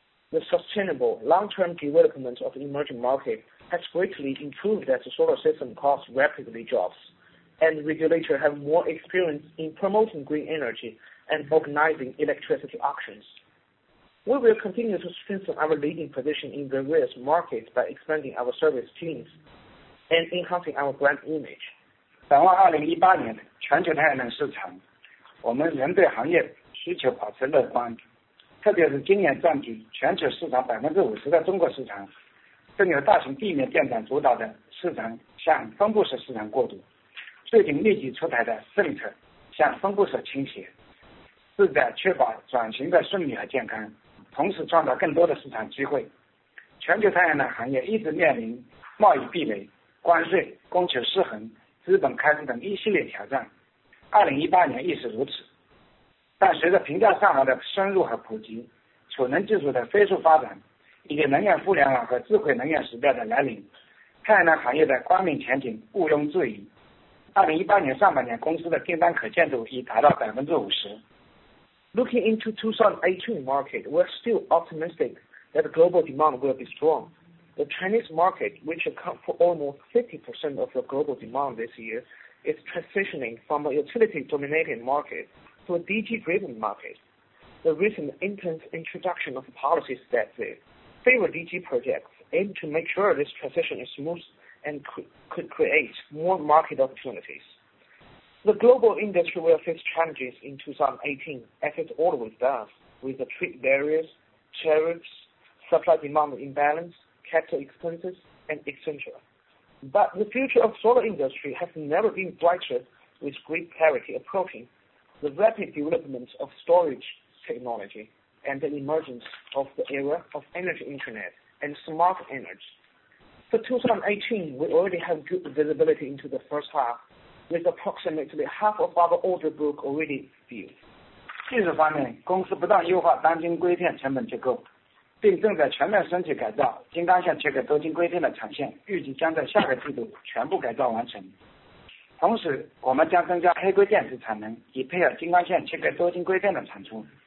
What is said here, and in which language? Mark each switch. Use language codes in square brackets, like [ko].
[en] The sustainable long-term development of emerging markets has greatly improved as the solar system costs rapidly drops, and regulators have more experience in promoting green energy and organizing electricity auctions. We will continue to strengthen our leading position in various markets by expanding our service teams and enhancing our brand image. [zh] 展望2018年全球太阳能市场，我们仍对行业需求保持乐观，特别是今年占据全球市场50%的中国市场，正由大型地面电站主导的市场向分布式市场过渡。最近立即出台的政策向分布式倾斜，旨在确保转型的顺利和健康，同时创造更多的市场机会。全球太阳能行业一直面临贸易壁垒、关税、供求失衡、资本开支等一系列挑战。 2018年亦是如此，但随着平价上网的深入和普及，储能技术的飞速发展，以及能源互联网和智慧能源时代的来临，太阳能行业的光明前景毋庸置疑。 2018年上半年，公司的订单可见度已达到50%。 [en] Looking into 2018 market, we're still optimistic that global demand will be strong. The Chinese market, which accounts for almost 50% of the global demand this year, is transitioning from a utility-dominated market to a DG-driven market. The recent intense introduction of policies that favor DG projects aim to make sure this transition is smooth and could create more market opportunities. The global industry will face challenges in 2018, as it always does, with the trade barriers, tariffs, supply-demand imbalance, capital expenses, and etc. But the future of solar industry has never been brighter, with grid parity approaching, the rapid development of storage technology, and the emergence of the era of energy internet and smart energy. For 2018, we already have good visibility into the first half, with approximately half of our order book already filled. [zh] 技术方面，公司不断优化单晶硅片成本结构，并正在全面升级改造金刚线切割多晶硅片的产线，预计将在下个季度全部改造完成。同时，我们将增加黑硅电池产能，以配合金刚线切割多晶硅片的产出。